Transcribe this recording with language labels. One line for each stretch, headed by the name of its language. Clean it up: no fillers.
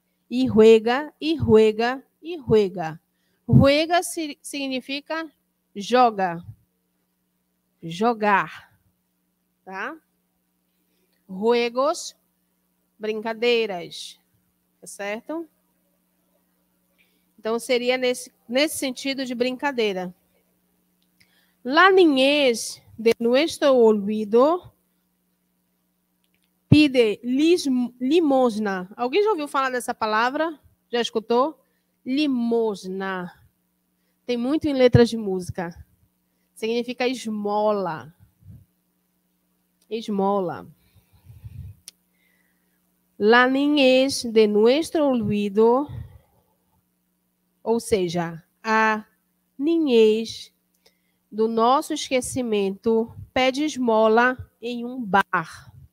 Portuguese: E juega, e juega, e juega. Juega significa joga. Jogar. Tá? Juegos, brincadeiras. Tá certo? Então, seria nesse sentido de brincadeira.
Spanish: La niñez de nuestro olvido pide limosna.
Portuguese: Alguém já ouviu falar dessa palavra? Já escutou? Limosna. Tem muito em letras de música. Significa esmola. Esmola.
Spanish: La niñez de nuestro olvido,
Portuguese: ou seja, a niñez do nosso esquecimento, pede esmola em um bar.